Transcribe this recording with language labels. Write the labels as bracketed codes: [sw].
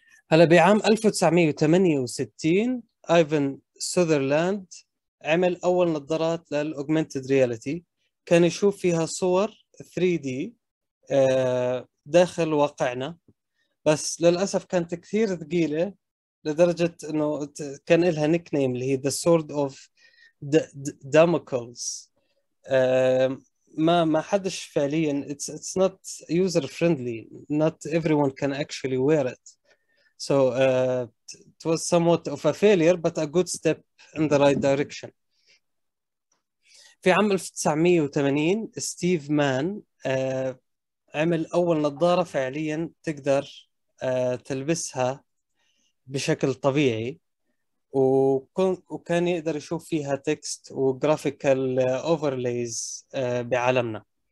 [ar] هلأ بعام 1968 إيفان سوذرلاند عمل أول نظارات للـ Augmented Reality كان يشوف فيها صور 3D داخل واقعنا، بس للأسف كانت كثير ثقيلة لدرجة أنه كان لها نيكنيم اللي هي The Sword of Damocles. ما حدش فعليا [en] it's not user friendly, not everyone can actually wear it. So it was somewhat of a failure but a good step in the right direction. [ar] في عام 1980 ستيف مان عمل أول نظارة فعليا تقدر تلبسها بشكل طبيعي، وكان يقدر يشوف فيها تكست وجرافيكال أوفرليز بعالمنا.